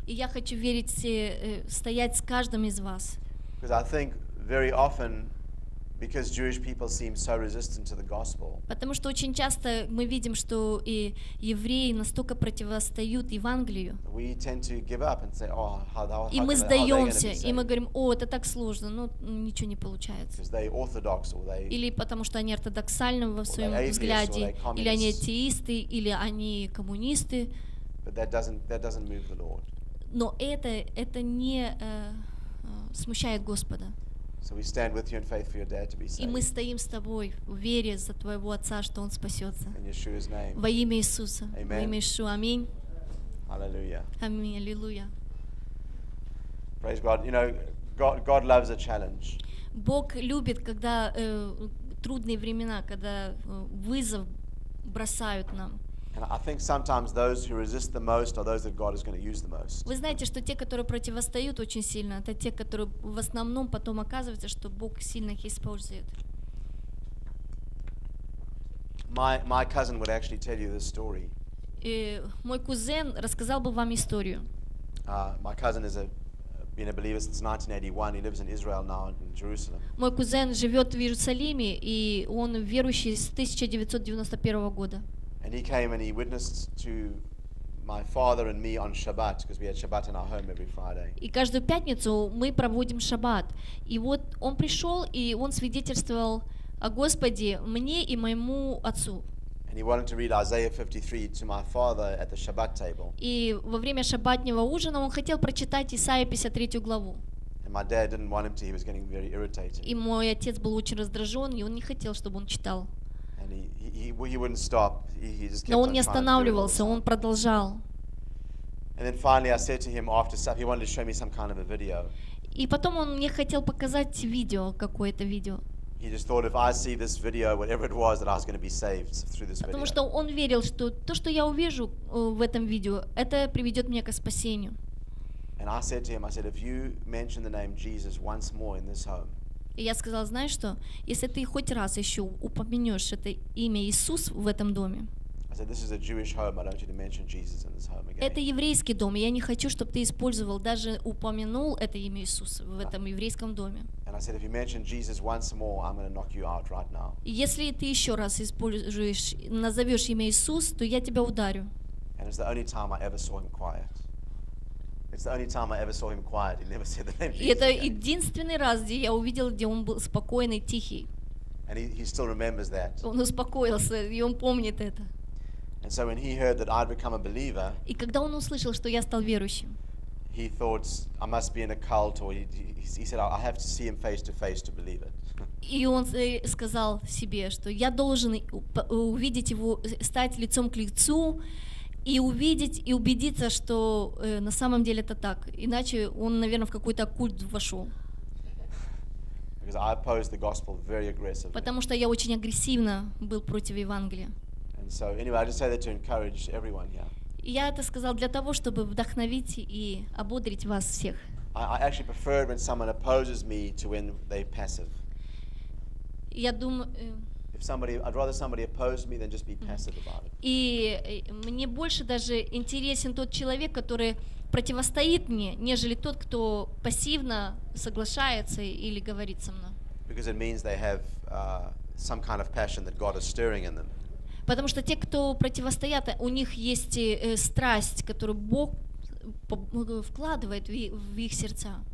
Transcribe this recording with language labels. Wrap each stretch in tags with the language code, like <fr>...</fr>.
<ru>И я хочу верить, стоять с каждым из вас.</ru> <en>Because I think very often, because Jewish people seem so resistant to the gospel.</en> <ru>Потому что очень часто мы видим, что и евреи настолько противостоят Евангелию.</ru> <en>We tend to give up and say, "Oh, how they are going to be saved?"</en> <ru>И мы сдаемся, и мы говорим, "О, это так сложно, ну ничего не получается."</ru> <en>Because they orthodox or they.</en> <ru>Или потому что они ортодоксальны во своем взгляде, или они атеисты, или они коммунисты.</ru> <en>But that doesn't move the Lord.</en> <ru>Но это не смущает Господа.</ru> <en>So we stand with you in faith for your dad to be saved.</en> <ru>И мы стоим с тобой в вере за твоего отца, что он спасется.</ru> <en>In Yeshua's name.</en> <ru>Во имя Иисуса.</ru> <en>Amen.</en> <ru>Во имя Иисуса. Аминь.</ru> <en>Hallelujah.</en> <ru>Аминь. Аллилуйя.</ru> <en>Praise God. You know, God loves a challenge.</en> <ru>Бог любит, когда трудные времена, когда вызов бросают нам.</ru> <en>And I think sometimes those who resist the most are those that God is going to use the most.</en> <ru>Вы знаете, что те, которые противостоят очень сильно, это те, которые в основном потом оказывается, что Бог сильно их использует.</ru> <en>My cousin would actually tell you this story.</en> <ru>И мой кузен рассказал бы вам историю.</ru> <en>My cousin has been a believer since 1981. He lives in Israel now in Jerusalem.</en> <ru>Мой кузен живет в Иерусалиме и он верующий с 1991 года.</ru> <en>And he came and he witnessed to my father and me on Shabbat because we had Shabbat in our home every Friday.</en> <ru>И каждую пятницу мы проводим Шаббат. И вот он пришел и он свидетельствовал о Господе мне и моему отцу.</ru> <en>And he wanted to read Isaiah 53 to my father at the Shabbat table.</en> <ru>И во время шабатного ужина он хотел прочитать Исаия 53 главу.</ru> <en>And my dad didn't want him to. He was getting very irritated.</en> <ru>И мой отец был очень раздражен и он не хотел, чтобы он читал.</ru> <en>He wouldn't stop. He just kept</en> <ru>Но он не останавливался, он продолжал.</ru> <en>And then finally, I said to him after stuff, he wanted to show me some kind of a video.</en> <ru>И потом он мне хотел показать видео, какое-то видео.</ru> <en>He just thought if I see this video, whatever it was, that I was going to be saved through this video.</en> <ru>Потому что он верил, что то, что я увижу в этом видео, это приведет меня к спасению.</ru> <en>And I said to him, I said, if you mention the name Jesus once more in this home.</en> <ru>И я сказала, знаешь что, если ты хоть раз еще упомянешь это имя Иисус в этом доме, это еврейский дом, и я не хочу, чтобы ты использовал, даже упомянул это имя Иисус в этом еврейском доме. Если ты еще раз используешь, назовешь имя Иисус, то я тебя ударю.</ru> <en>And it's the only time I ever saw him quiet. It's the only time I ever saw him quiet. He never said the name Jesus.</en> <ru>Это единственный раз, где я увидел, где он был спокойный, тихий.</ru> <en>And he still remembers that.</en> <ru>Он успокоился, и он помнит это.</ru> <en>And so when he heard that I'd become a believer,</en> <ru>и когда он услышал, что я стал верующим,</ru> <en>he thought I must be in a cult, or he said I have to see him face to face to believe it.</en> <ru>И он сказал себе, что я должен увидеть его, стать лицом к лицу. И увидеть и убедиться, что на самом деле это так. Иначе он, наверное, в какой-то культ вошел.</ru> <en>because I opposed the gospel very aggressively.</en> <ru>Потому что я очень агрессивно был против Евангелия.</ru> <en>And so anyway, I just say that to encourage everyone here.</en> <ru>Я это сказал для того, чтобы вдохновить и ободрить вас всех.</ru> <en>I actually prefer when someone opposes me to when they passive. I'd rather somebody opposed me than just be passive about it.</en> <ru>И мне больше даже интересен тот человек, который противостоит мне, нежели тот, кто пассивно соглашается или говорит со мной.</ru> <en>Because it means they have some kind of passion that God is stirring in them.</en> <ru>Потому что те, кто противостоят, у них есть страсть, которую Бог вкладывает в их сердца.</ru>